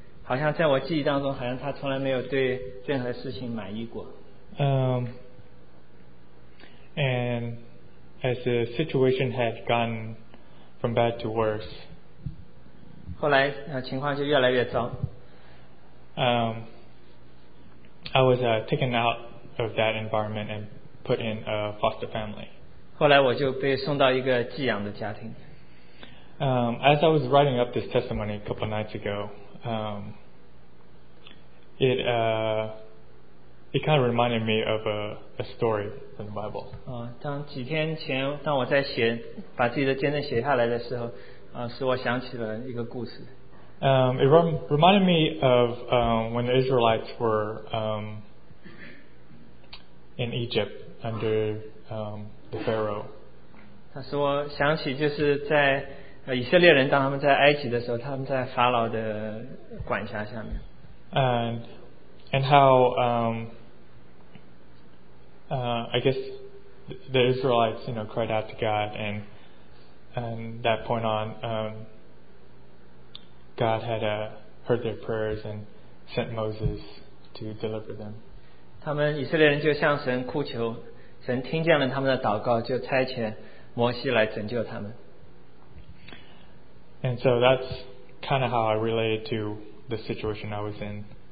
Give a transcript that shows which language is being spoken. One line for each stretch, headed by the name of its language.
Chinese: 好像在我记忆当中，好像她从来没有对任何事情满意过。
English: And as the situation had gone from bad to worse.
Chinese: 后来情况就越来越糟。
English: I was taken out of that environment and put in a foster family.
Chinese: 后来我就被送到一个寄养的家庭。
English: As I was writing up this testimony a couple of nights ago, it kind of reminded me of a story in the Bible.
Chinese: 当几天前，当我在写把自己的见证写下来的时候，使我想起了一个故事。
English: It reminded me of when the Israelites were in Egypt under the Pharaoh.
Chinese: 他说想起就是在以色列人当他们在埃及的时候，他们在法老的管辖下面。
English: And how I guess the Israelites, you know, cried out to God, and that point on. God had heard their prayers and sent Moses to deliver them.
Chinese: 他们以色列人就向神哭求，神听见了他们的祷告，就差遣摩西来拯救他们。
English: And so that's kind of how I related to the situation I was in.